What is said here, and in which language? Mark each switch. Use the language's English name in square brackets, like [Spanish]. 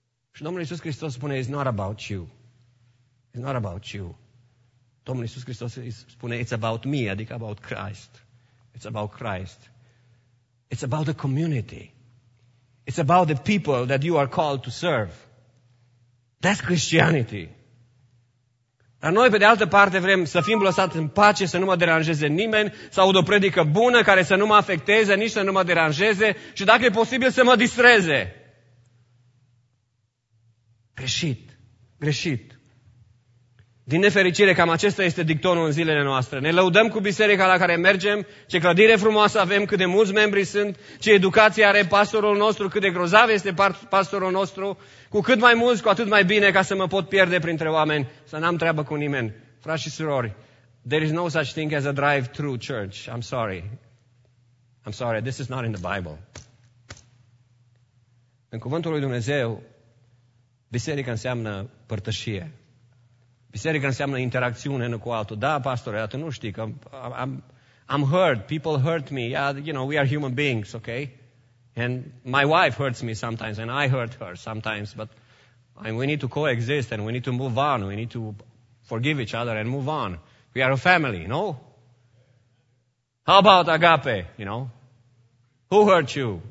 [Romanian] Și Domnul Iisus Hristos spune, [English] it's not about you. It's not about you. [Romanian] Domnul Iisus Hristos spune, [English] it's about me, [Romanian] adică [English] about Christ. It's about Christ. It's about the community. It's about the people that you are called to serve. That's Christianity. [Romanian] Dar noi, pe de altă parte, vrem să fim lăsați în pace, să nu mă deranjeze nimeni, să aud o predică bună care să nu mă afecteze, nici să nu mă deranjeze și, dacă e posibil, să mă distreze. Greșit. Greșit. Din nefericire, cam acesta este dictonul în zilele noastre. Ne lăudăm cu biserica la care mergem, ce clădire frumoasă avem, cât de mulți membri sunt, ce educație are pastorul nostru, cât de grozav este pastorul nostru. Cu cât mai mulți, cu atât mai bine, ca să mă pot pierde printre oameni, să n-am treabă cu nimeni. Frați și surori, [English] there is no such thing as a drive-through church. I'm sorry. I'm sorry, this is not in the Bible. [Romanian] În cuvântul lui Dumnezeu, biserica înseamnă părtășie. Biserica înseamnă interacțiune, nu cu altul. Da, pastore, dar tu nu știi că [English] I'm hurt. People hurt me. Yeah, you know, we are human beings, okay? And my wife hurts me sometimes and I hurt her sometimes. But we need to coexist and we need to move on. We need to forgive each other and move on. We are a family, no? How about agape, you know? Who hurt you?